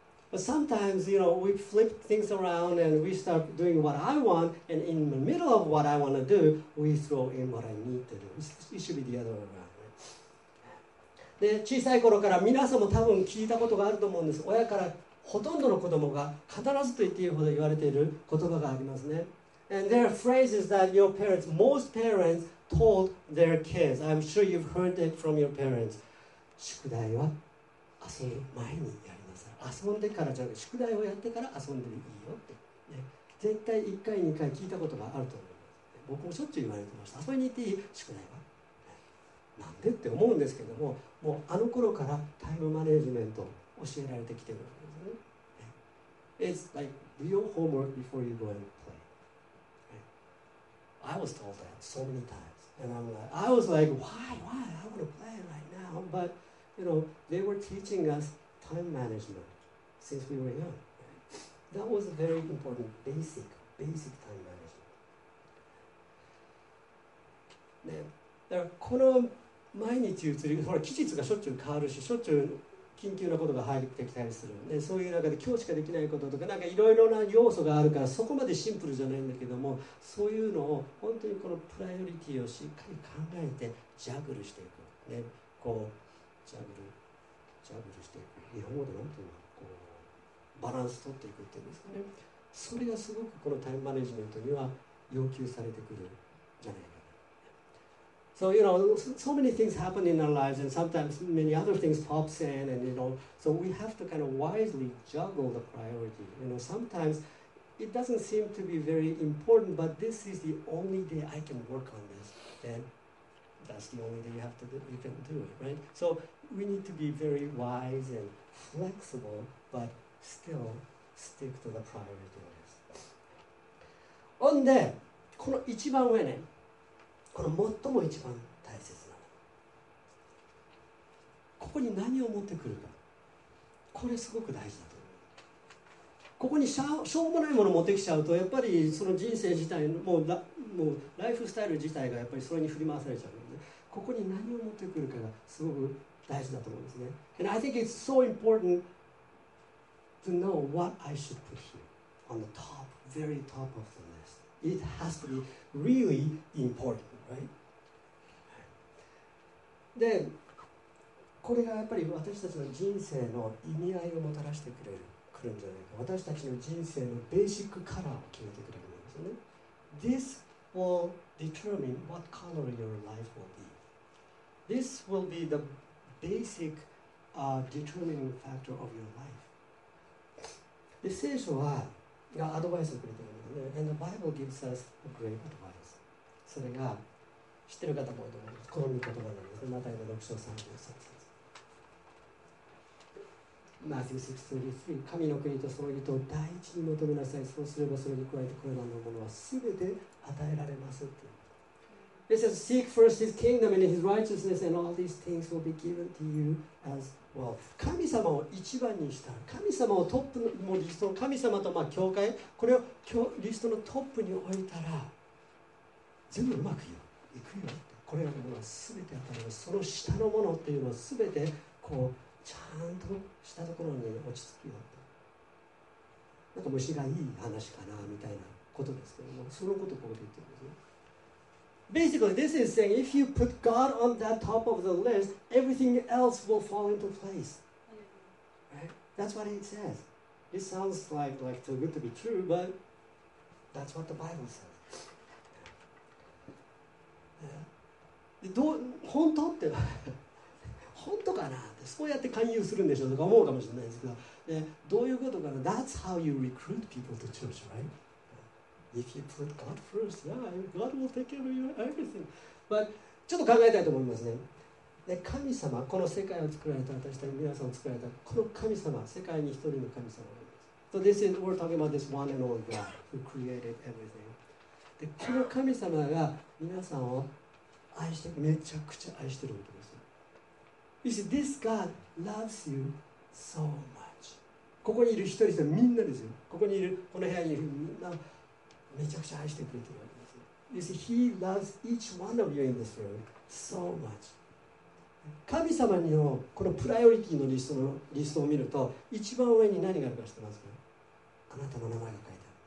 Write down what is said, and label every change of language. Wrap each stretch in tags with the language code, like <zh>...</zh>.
<en>But sometimes you know we flip things around and we start doing what I want and in the middle of what I want to do we throw in what I need to do. It should be the other way around、ね、</en> <ja>で小さい頃から皆さんも多分聞いたことがあると思うんです。親からほとんどの子供が必ずと言っていいほど言われている言葉がありますね。</ja> <en>And there are phrases that your parents, most parents, told their kids. I'm sure you've heard it from your parents.</en> <ja>宿題は遊ぶ前にやりなさい。遊んでからじゃなくて、宿題をやってから遊んでいいよって、ね。絶対1回、2回聞いたことがあると思います。僕もしょっちゅう言われてました。遊びに行っていい宿題は。なんでって思うんですけども、もうあの頃からタイムマネジメント教えられてきてる。</ja> <en>It's like do your homework before you go and play.、Right? I was told that so many times, and I'm like, I was like, why? I want to play right now. But you know, they were teaching us time management since we were young.、Right? That was a very important basic time management.</en> <ja>ね、だからこの毎日移り、ほら期日がしょっちゅう変わるし、しょっちゅう。緊急なことが入ってきたりする、ね、そういう中で今日しかできないこととかなんかいろいろな要素があるからそこまでシンプルじゃないんだけども、そういうのを本当にこのプライオリティをしっかり考えてジャグルしていく、ね、こうジャグルしていく、日本語でなんていうのこうバランス取っていくっていうんですかね、それがすごくこのタイムマネジメントには要求されてくるじゃないか。</ja> <en>So, you know, so many things happen in our lives and sometimes many other things pops in and, you know, so we have to kind of wisely juggle the priority. You know, sometimes it doesn't seem to be very important, but this is the only day I can work on this. Then that's the only day you can do it, right? So we need to be very wise and flexible, but still stick to the priority list. On the,</en> <ja>この一番上ね、この最も一番大切なの。ここに何を持ってくるか。これすごく大事だと思う。ここにしょうもないものを持ってきちゃうと、やっぱりその人生自体のもうライフスタイル自体がやっぱりそれに振り回されちゃうので、ここに何を持ってくるかがすごく大事だと思うんですね。</ja> <en>And I think it's so important to know what I should put here on the top, very top of the list. It has to be really important. Right?</en> <ja>でこれがやっぱり私たちの人生の意味合いをもたらしてくれるくるんじゃないか、私たちの人生のベーシックカラーを決めてくれるんですよね。</ja> <en>This will determine what color your life will be. This will be the basic、determining factor of your life.</en> <ja>で聖書はアドバイスをくれてるんだよね。</ja> <en>And the Bible gives us a great advice.</en> <ja>それが知ってる方も多いと思います。この御言葉なんです。マタイの6章33節。マタイ6章33。神の国とその義と第一に求めなさい。そうすればそれに加えてこれらのものはすべて与えられますって。</ja> <en>It says, seek first his kingdom and his righteousness and all these things will be given to you as well.</en> <ja>神様を一番にした。神様をトップの、もうリストの神様とまあ教会、これをリストのトップに置いたら、全部うまくいく。行くよってこれらのものは全て与えられる、その下のものっていうのは全てこうちゃんとしたところに落ち着くよって、なんか虫がいい話かなみたいなことですけども、そのことをここで言ってるんですね。</ja> <en>Basically, this is saying if you put God on that top of the list, everything else will fall into place. Right? That's what it says. It sounds like too good to be true, but that's what the Bible says.</en> <ja>どう本当って本当かなってそうやって勧誘するんでしょうとか思うかもしれないですけど、でどういうことかな。</ja> <en>That's how you recruit people to church, right? If you put God first, yeah, God will take care of you everything.</en> <ja>But ちょっと考えたいと思いますね。で神様、この世界を作られた私たち皆さんを作られたこの神様、世界に一人の神様があります。</ja> <en>So this is, we're talking about this one and only God who created everything.</en> <ja>でこの神様が皆さんを愛してめちゃくちゃ愛してることです。</ja> <en>You see, this God loves you so much.</en> <ja>ここにいる一人一人みんなですよ。ここにいる、この部屋にいるみんなめちゃくちゃ愛してくれてるわけですよ。</ja> <en>You see, He loves each one of you in this world so much.</en> <ja>神様のこのプライオリティのリストを見ると、一番上に何があるか知ってますか？あなたの名前が書いてある。</ja>